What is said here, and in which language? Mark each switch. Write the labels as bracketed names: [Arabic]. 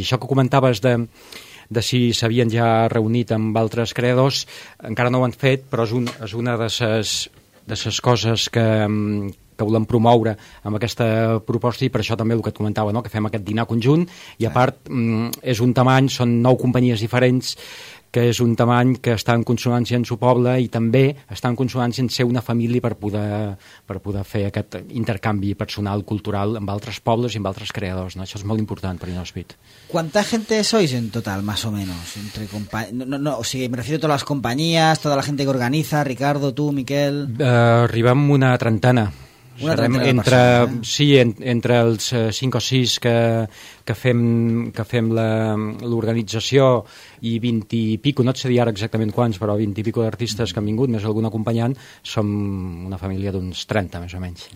[Catalan] I això que comentaves de si s'havien ja reunit amb altres creadors, encara no ho han fet, però és una de ses coses que volem promoure amb aquesta proposta, i per això també el que et comentava, no? Que fem aquest dinar conjunt, i a part és un tamany, són 9 companyies diferents, que és un tamany que està en consonància amb el seu poble i també està en consonància amb ser una família per poder fer aquest intercanvi personal, cultural, amb altres pobles i amb altres creadors. No? Això és molt important per Inhóspit. [Spanish] ¿Cuánta gente sois en total, más o menos? Entre me refiero a todas las compañías, toda la gente que organiza, Ricardo, tú, Miquel... [Catalan] Arribem a una trentena. Serem entre, sí, entre els 5 o 6 que fem l'organització i 20 i pico, no et sé dir ara exactament quants, però 20 i pico d'artistes que han vingut, més algun acompanyant, som una família d'uns 30, més o menys.